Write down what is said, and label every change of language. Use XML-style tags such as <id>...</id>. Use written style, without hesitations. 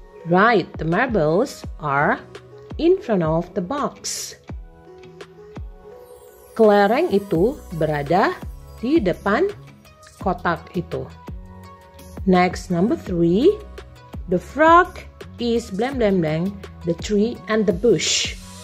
<en>Right, the marbles are in front of the box.</en> <id>Kelereng itu berada di depan kotak itu.</id> <en>Next, number three. The frog is blank blank blank the tree and the bush.</en>